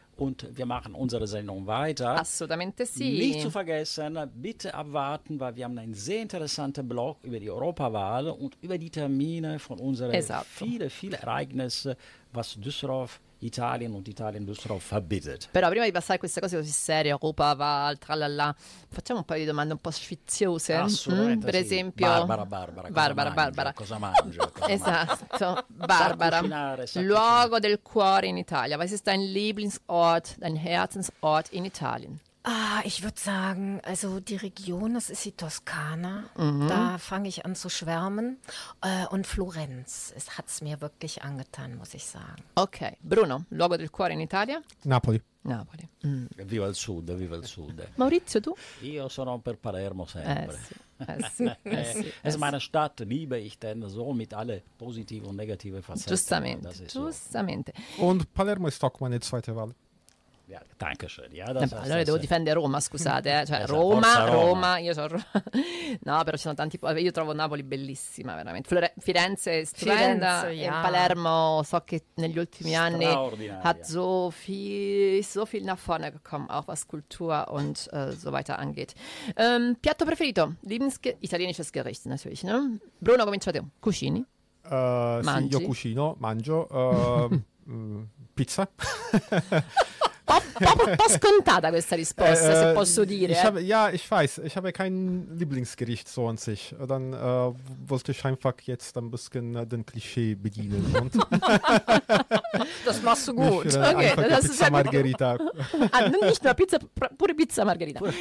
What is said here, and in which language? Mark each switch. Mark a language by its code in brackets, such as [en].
[de] Und wir machen unsere Sendung weiter. [it] Assolutamente sì. [de] Nicht zu vergessen, bitte abwarten, weil wir haben einen sehr interessanten Blog über die Europawahl und über die Termine von unseren viele Ereignisse, was Düsseldorf Italien und Italien Düsseldorf verbindet. [it] Però prima di passare a queste cose così serie, Europawahl, tralala, facciamo un paio di domande un po' sfiziose. Assolutamente. Mm, per sì. esempio, Barbara. Cosa mangio? Esatto, Barbara. Luogo del cuore in Italia. [de] Was ist dein Lieblingsort, dein Herzensort in Italien? Ah, ich würde sagen, also die Region, das ist die Toskana, da fange ich an zu schwärmen und Florenz, es hat es mir wirklich angetan, muss ich sagen. [it] Okay, Bruno, luogo del cuore in Italia? Napoli. Mm. Viva il sud, viva il sud. Maurizio, tu? Io sono per Palermo sempre. [de] Es ist meine Stadt, liebe ich denn so mit alle positive und negative Facetten. [it] Giustamente. [de] So. Und Palermo ist auch meine zweite Wahl. Ja, danke schön. Ja, [it] allora devo difendere Roma, scusate. Cioè, Roma. Io sono no, però ci sono tanti. Io trovo Napoli bellissima, veramente. Firenze è stupenda. Firenze, yeah. E Palermo, so che negli ultimi anni ha [de] so viel nach vorne gekommen, auch was Kultur und so weiter angeht. [it] Piatto preferito? [de] Italienisches Gericht, natürlich. [it] No? Bruno, comincia te. Cucini? Sì, io cucino, mangio. pizza? Po' scontata questa risposta, se posso dire. [de] Ich habe kein Lieblingsgericht so an sich. Dann wollte ich einfach jetzt ein bisschen den Klischee bedienen. Und das machst du gut. Okay, das ist Pizza sehr Margherita. Ah, nicht nur Pizza, pure Pizza Margherita.